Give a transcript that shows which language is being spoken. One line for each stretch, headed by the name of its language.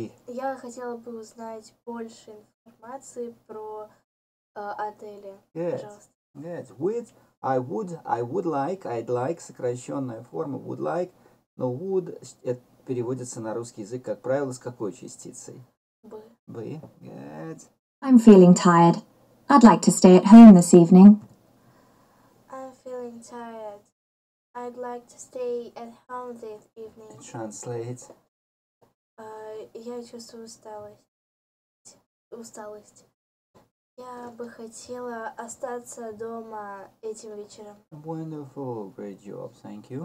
Russian: Я хотела бы узнать больше информации про отели.
English: Good. Would I'd like,
Russian: сокращенная форма
English: would like,
Russian: но
English: would
Russian: это переводится на русский язык, как правило, с какой частицей? Бы.
English: Good. I'm feeling tired. I'd like to stay at home this evening. I'm feeling tired. I'd like to stay at home this evening. Translate.
Russian: Я чувствую усталость. Я бы хотела остаться дома этим вечером.
English: Wonderful, great job, thank you.